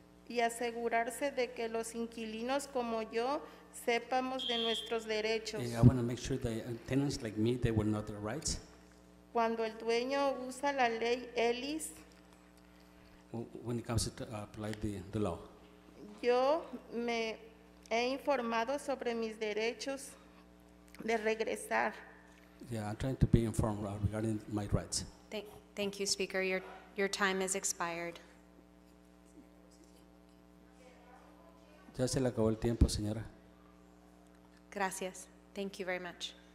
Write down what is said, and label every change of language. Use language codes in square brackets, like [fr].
[es] Y asegurarse de que los inquilinos como yo sepamos de nuestros derechos. [en] I want to make sure that tenants like me, they will know their rights. [es] Cuando el dueño usa la ley ELIS. [en] When it comes to apply the law. [es] Yo me he informado sobre mis derechos de regresar. [en] Yeah, I'm trying to be informed regarding my rights. Thank you, Speaker. Your time has expired. [es] Ya se le acabó el tiempo, señora. Gracias. [en] Thank you very much.